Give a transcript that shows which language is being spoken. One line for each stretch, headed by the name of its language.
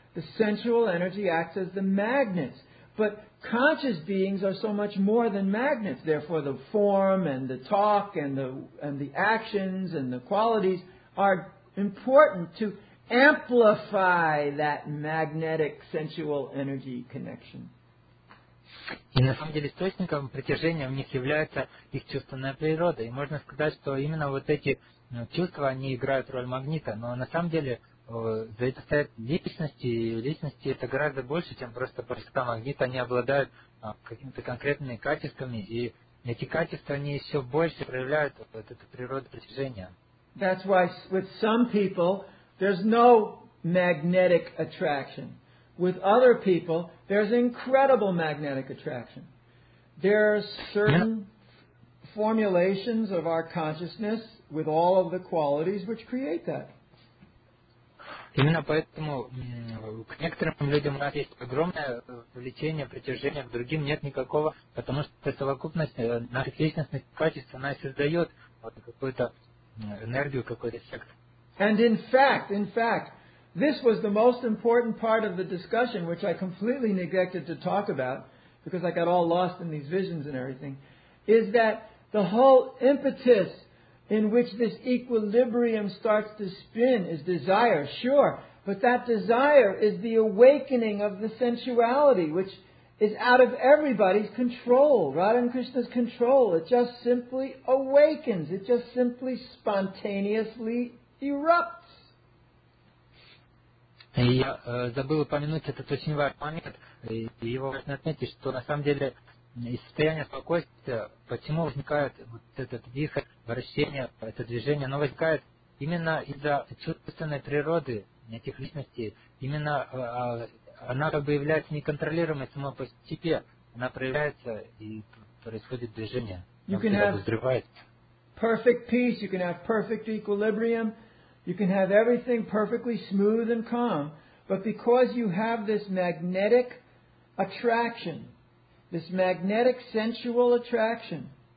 English: The sensual energy acts as the magnets. But conscious beings are so much more than magnets. Therefore, the form and the talk and the actions and the qualities are important to amplify that magnetic sensual energy connection.
Russian: И на самом деле источником притяжения у них является их чувственная природа. И можно сказать, что именно вот эти чувства, они играют роль магнита. Но на самом деле за это стоят личности, и личности это гораздо больше, чем просто простота магнита. Они обладают какими-то конкретными качествами, и эти качества, они еще больше проявляют вот эту природу притяжения.
English: That's why with some people there's no magnetic attraction. With other people, there's incredible magnetic attraction. There are certain formulations of our consciousness with all of the qualities which create that.
Russian: Именно поэтому к некоторым людям у нас есть огромное влечение, притяжение, к другим нет никакого, потому что совокупность наших личностных качеств, она создает вот какую-то энергию, какой-то эффект.
English: And in fact, this was the most important part of the discussion, which I completely neglected to talk about because I got all lost in these visions and everything, is that the whole impetus in which this equilibrium starts to spin is desire, sure. But that desire is the awakening of the sensuality, which is out of everybody's control, Radha and Krishna's control. It just simply awakens. It just simply spontaneously erupts.
Russian: Я забыл упомянуть этот очень важный момент, и его важно отметить, что на самом деле из состояния спокойствия, почему возникает вот этот вихрь, вращение, это движение, оно возникает именно из-за чувственной природы этих личностей. Именно она как бы является неконтролируемой само по себе, она проявляется и происходит движение.
English: You can have perfect peace, you can have perfect equilibrium, you can have everything perfectly smooth and calm, but because you have this magnetic attraction, this magnetic sensual attraction,